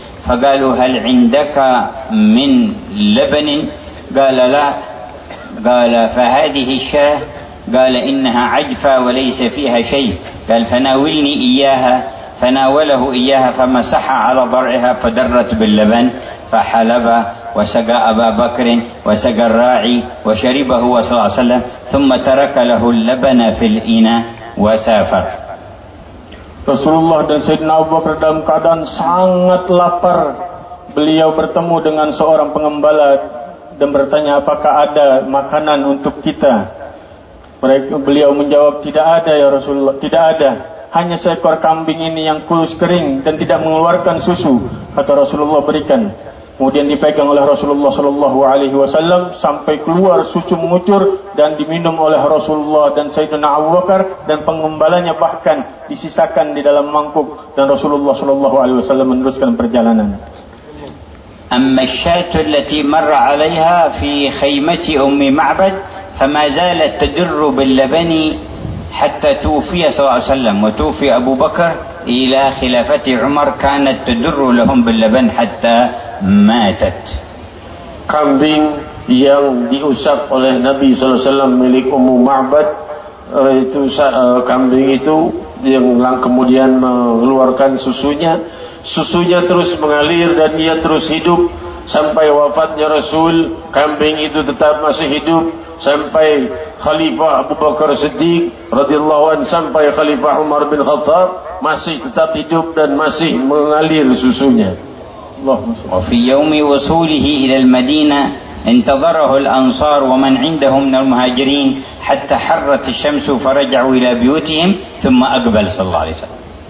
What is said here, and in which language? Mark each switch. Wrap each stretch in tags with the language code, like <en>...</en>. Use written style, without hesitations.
<ar>فقالوا هل عندك من لبن قال لا قال فهذه الشاة قال إنها عجفة وليس فيها شيء قال فناولني إياها فناوله إياها فمسح على ضرعها فدرت باللبن فحلب وسقى أبا بكر وسقى الراعي وشربه صلى الله عليه وسلم ثم ترك له اللبن في الإناء وسافر.</ar> <id>Rasulullah dan Sayyidina Abu Bakar dalam keadaan sangat lapar. Beliau bertemu dengan seorang pengembala dan bertanya, apakah ada makanan untuk kita? Beliau menjawab, tidak ada ya Rasulullah, tidak ada. Hanya seekor kambing ini yang kurus kering dan tidak mengeluarkan susu. Kata Rasulullah, berikan. Kemudian dipegang oleh Rasulullah sallallahu alaihi wasallam sampai keluar susu mengucur dan diminum oleh Rasulullah dan Sayyidina Abu Bakar dan pengembalanya, bahkan disisakan di dalam mangkuk, dan Rasulullah sallallahu alaihi wasallam meneruskan perjalanan.</id> <ar>Amma syatu allati marra 'alayha fi khaymati ummi Ma'bad fama zalat tadru bil labani hatta tufiya sallallahu alaihi wasallam wa tufi Abu Bakar إلى خلافة عمر كانت تدر لهم باللبن حتى ماتت.</ar> <id>Kambing yang diusap oleh Nabi SAW milik Ummu Ma'bad, itu kambing itu yang kemudian mengeluarkan susunya, susunya terus mengalir dan ia terus hidup sampai wafatnya Rasul. Kambing itu tetap masih hidup sampai Khalifah Abu Bakar Siddiq radhiyallahu anhu sampai Khalifah Umar bin Khattab masih tetap hidup dan masih mengalir susunya.</id> <ar>وفي يوم وصوله إلى المدينة انتظره الأنصار ومن عندهم من المهاجرين حتى حرت الشمس فرجعوا إلى بيوتهم ثم أقبل صلى الله عليه وسلم.</ar>